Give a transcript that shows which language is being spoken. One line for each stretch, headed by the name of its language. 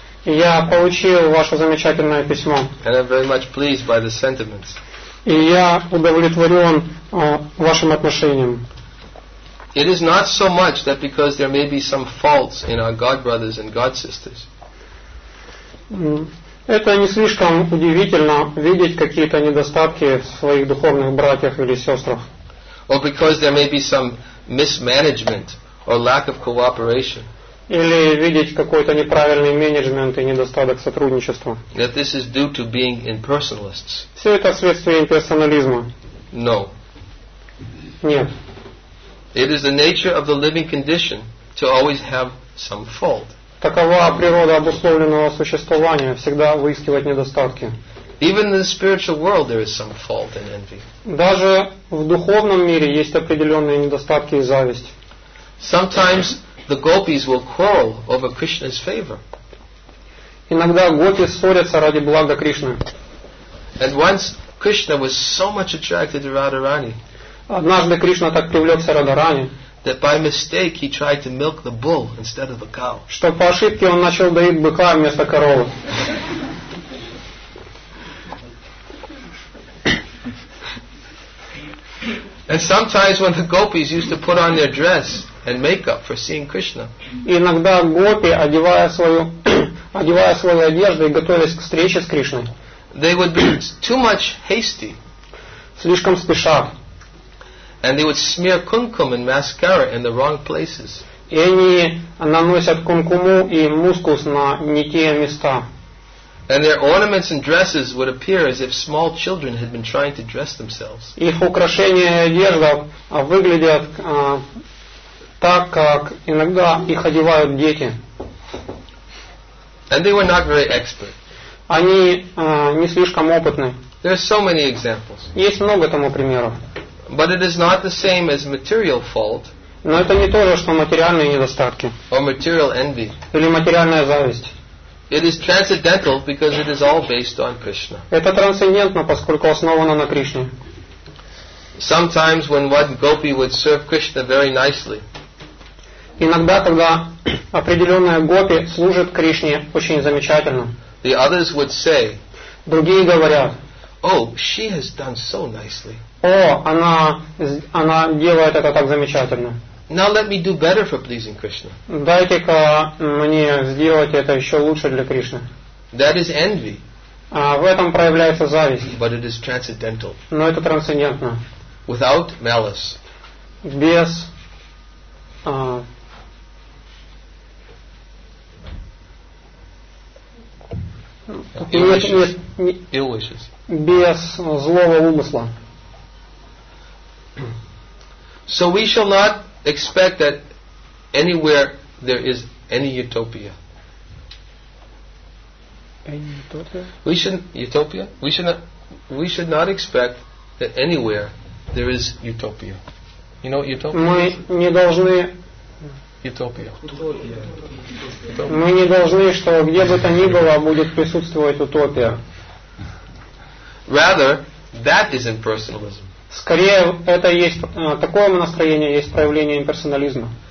Russian: Я получил ваше замечательное письмо.
English: And I'm very much pleased by the sentiments.
Russian: И я удовлетворен вашим отношением.
English: It is not so much that because there may be some faults in our God brothers and God sisters.
Russian: Это не слишком удивительно видеть какие-то недостатки в своих духовных братьях или сестрах.
English: Or because there may be some mismanagement or lack of cooperation.
Russian: Или видеть какой-то неправильный менеджмент и недостаток сотрудничества.
English: That this is due to being impersonalists.
Russian: Все это следствие имперсонализма.
English: No.
Russian: Нет.
English: It is the nature of the living condition to always have some fault.
Russian: Такова природа обусловленного существования, всегда выискивать недостатки.
English: Even in the spiritual world there is some fault and envy.
Russian: Даже в духовном мире есть определенные недостатки и зависть.
English: Sometimes the gopis will quarrel over Krishna's favor.
Russian: Иногда гопи ссорятся ради блага Кришны.
English: And once Krishna was so much attracted to Radharani.
Russian: Однажды Кришна так привлекся Радхарани.
English: That by mistake he tried to milk the bull instead of the cow.
Russian: Что по ошибке он начал доить быка вместо коровы.
English: And sometimes when the gopis used to put on their dress and makeup for seeing Krishna.
Russian: Иногда гопи, одевая свою одежду и готовясь к встрече с Кришной.
English: They would be too much hasty.
Russian: Слишком спеша.
English: And they would smear kumkum and mascara in the wrong places.
Russian: И они наносят кумкуму и мускус на не те места.
English: And their ornaments and dresses would appear as if small children had been trying to dress themselves.
Russian: Их украшения и одежда выглядят так, как иногда их одевают дети.
English: And they were not very expert.
Russian: Они не слишком опытны.
English: There are so many examples.
Russian: Есть много тому примеров.
English: But it is not the same as material fault.
Russian: Но это не то же, что материальные недостатки.
English: Or material envy.
Russian: Или материальная зависть.
English: It is transcendental because it is all based on Krishna.
Russian: Это трансцендентно, поскольку основано на Кришне.
English: Sometimes when one gopi would serve Krishna very nicely.
Russian: Иногда, когда определенная гопи служит Кришне очень замечательно.
English: The others would say.
Russian: Другие говорят.
English: Oh, she has done so nicely.
Russian: О, она делает это так замечательно.
English: Now let me do better for pleasing Krishna.
Russian: Дайте-ка мне сделать это еще лучше для Кришны.
English: That is envy.
Russian: В этом проявляется зависть.
English: But it is transcendental.
Russian: Но это трансцендентно.
English: Without malice.
Russian: Без
English: ill wishes.
Russian: Без злого умысла.
English: So we shall not expect that anywhere there is any utopia. Any utopia? We should not expect that anywhere there is utopia. You know what utopia?
Russian: Мы не должны.
English: Utopia.
Russian: Мы не должны, что где бы то ни было будет присутствовать утопия.
English: Rather, that is impersonalism.
Russian: Скорее, это есть такое настроение, есть проявление имперсонализма.